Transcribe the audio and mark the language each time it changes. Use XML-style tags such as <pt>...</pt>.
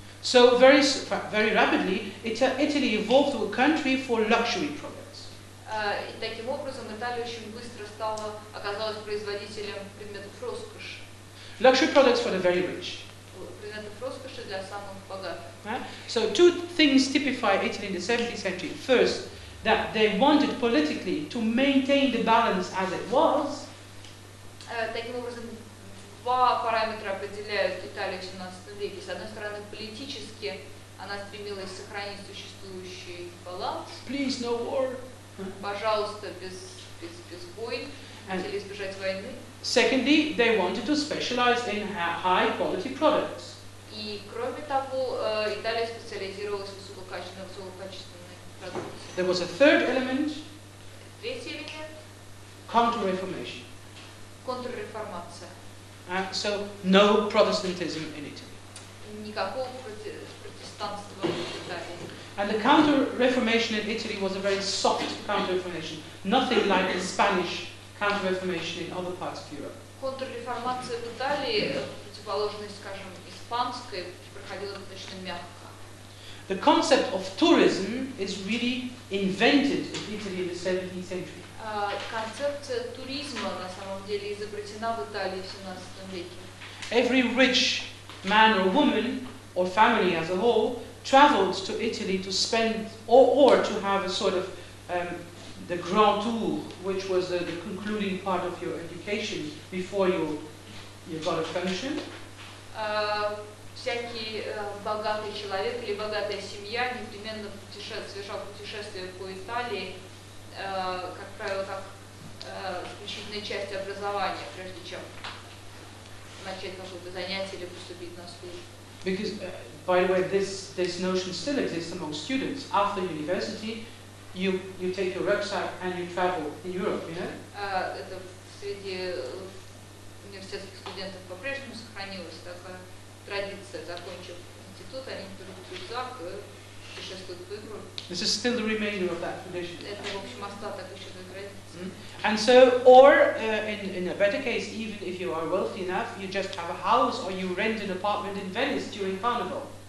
<en>So very rapidly, Italy evolved to a country for luxury products.</en> <ru>И таким образом Италия очень быстро оказалась производителем предметов роскоши.</ru> <en>Luxury products for the very rich.</en> <ru>Предметов роскоши для самых богатых.</ru> <en>So two things typify Italy in the 17th century. First, that they wanted politically to maintain the balance as it was.</en> <ru>Таким образом, два параметра определяют Италию в 17 веке. С одной стороны, политически она стремилась сохранить существующий баланс.</ru> <en>Please, no war.</en> <ru>Пожалуйста, без войн. Хотели избежать войны.</ru> <en>Secondly, they wanted to specialize in high-quality products.</en> <ru>И кроме того, Италия специализировалась на высококачественной продукции.</ru> <en>There was a third element.</en> <ru>Третий элемент.</ru> <en>Counter-reformation.</en> <ru>Контрреформация.</ru> <en>So no Protestantism in Italy.</en> <ru>Никакого протестантства в Италии.</ru> <en>And the counter-reformation in Italy was a very soft counter-reformation, nothing like the Spanish counter-reformation in other parts of Europe.</en> <ru>Контрреформация в Италии, противоположность, скажем, испанской, проходила достаточно мягко.</ru> <en>The concept of tourism is really invented in Italy in the 17th century.</en> <ru>Концепция туризма на самом деле изобретена в Италии в 17 веке.</ru> <en>Every rich man or woman or family as a whole traveled to Italy to spend or to have a sort of the grand tour, which was the concluding part of your education before you got a pension.</en> <ru>Всякий богатый человек или богатая семья непременно совершал путешествие по Италии. Как правило, как исключительная часть образования, прежде чем начать какое-то занятие или поступить на службу.</ru> <en>Because, by the way, this notion still exists among students. After university, you take your rucksack and you travel in Europe, you know?</en> <ru>Это среди университетских студентов по-прежнему сохранилась такая традиция. Закончив институт, они берут рюкзак и путешествуют по Европе.</ru> <en>This is still the remainder of that tradition.</en> <ru>Это, в общем, остаток еще этой традиции.</ru> <en>And so, or in a better case, even if you are wealthy enough, you just have a house or you rent an apartment in Venice during Carnival.</en>